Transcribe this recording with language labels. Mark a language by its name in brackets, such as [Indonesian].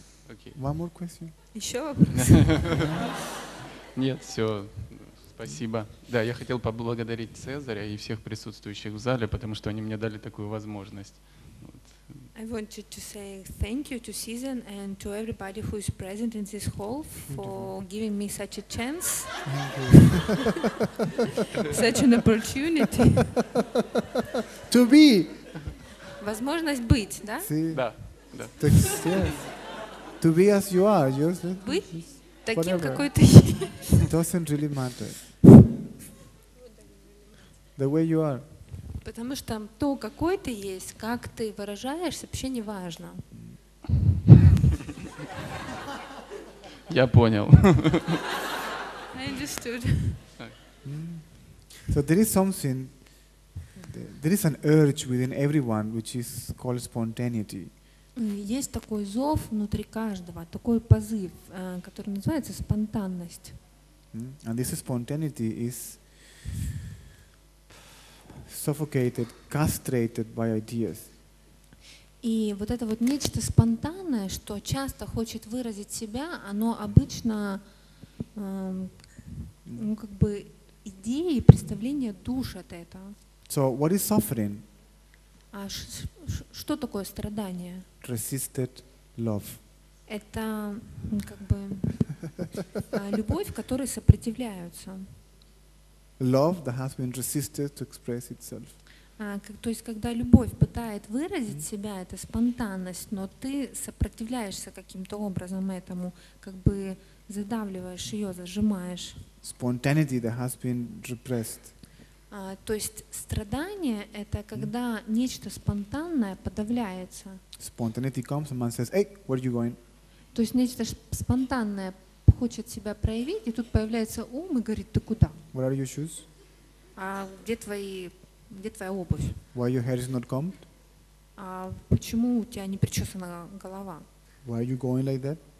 [English] Okay. One more question. [Russian] Еще вопрос? Нет, все. Спасибо. Да, я хотел поблагодарить Цезаря и всех присутствующих в зале, потому что они мне дали такую возможность. Вот. [English] I wanted to say thank you to Susan and to everybody who is present in this hall for giving me such a chance. Such an opportunity. To be. [Russian] Возможность быть, да? Да. [English] To exist. To be as you are. Just, [Russian] быть таким, [English] whatever. [Russian] Какой ты есть. [English] It doesn't really matter. The way you are. [Russian] Потому что то, какой ты есть, как ты выражаешься, вообще не важно. Я понял. [English] I understood. So there is something, there is an urge within everyone, which is called spontaneity. [Russian] Есть такой зов внутри каждого, такой позыв, который называется спонтанность. [English] And this spontaneity is suffocated, castrated by ideas. [Russian] И вот это вот нечто спонтанное, что часто хочет выразить себя, оно обычно, ну как бы идеи, представления душат это. [English] So what is suffering? [Russian] А что такое страдание? [English] Resisted love. [Russian] Это как бы любовь, которой сопротивляются. [English] Love that has been resisted to express itself. [Russian] То есть, когда любовь пытает выразить себя, это спонтанность, но ты сопротивляешься каким-то образом этому, как бы задавливаешь ее, зажимаешь. [English] Spontaneity that has been repressed. [Russian] То есть страдание — это когда нечто спонтанное подавляется. [English] Spontaneity comes, and man says, "Hey, where are you going?" [Russian] То есть нечто спонтанное хочет себя проявить, и тут появляется ум и говорит: "Ты куда?" [English] Where are your shoes? [Russian] А где твои? Где твоя обувь? [English] Why your hair is not combed? [Russian] А почему у тебя не причесана голова? [English] Why are you going like that?